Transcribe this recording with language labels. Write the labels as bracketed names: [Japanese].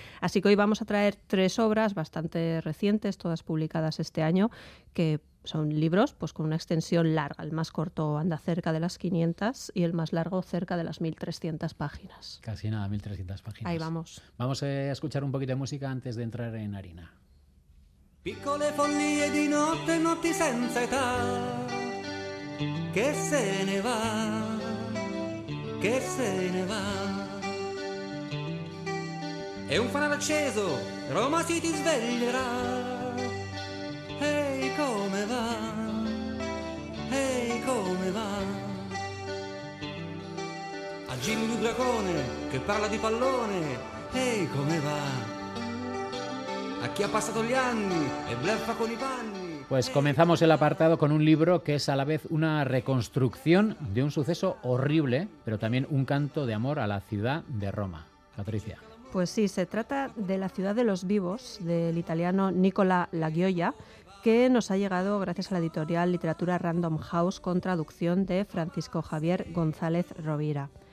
[Spanish] Así que hoy vamos a traer tres obras bastante recientes, todas publicadas este año, que son libros, pues, con una extensión larga. El más corto anda cerca de las 500 y el más largo cerca de las 1.300 páginas. Casi nada, 1.300 páginas. Ahí vamos. Vamos a escuchar un poquito de música antes de entrar en harina. [Italian] Piccole follie di notte, notti senza età, che se ne va, che se ne va. E un fanale acceso, Roma si ti sveglierà. Ehi, come va, ehi, come va. A Jimmy il dragone, che parla di pallone, ehi, come va. A chi ha pasado gli anni e blefa con i panni. [Spanish] Pues comenzamos el apartado con un libro que es a la vez una reconstrucción de un suceso horrible, pero también un canto de amor a la ciudad de Roma. Patricia. Pues sí, se trata de La ciudad de los vivos, del italiano Nicola Lagioia, que nos ha llegado gracias a la editorial Literatura Random House con traducción de Francisco Javier González Rovira.